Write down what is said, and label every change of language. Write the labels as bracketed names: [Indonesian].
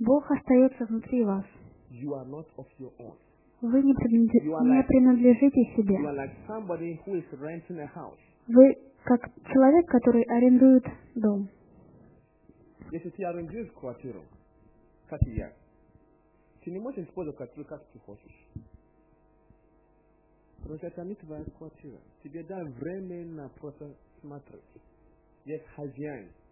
[Russian] Бог остается внутри вас. [English] You are not of your own. [Russian] Вы не принадлежите себе. [English] You are like somebody who is renting a house. [Russian] Вы как человек, который арендует дом. Если ты арендуешь квартиру, как и я, ты не можешь использовать квартиру, как ты хочешь. Просто это не твоя квартира. Тебе дай временно просто смотреть. Есть хозяин.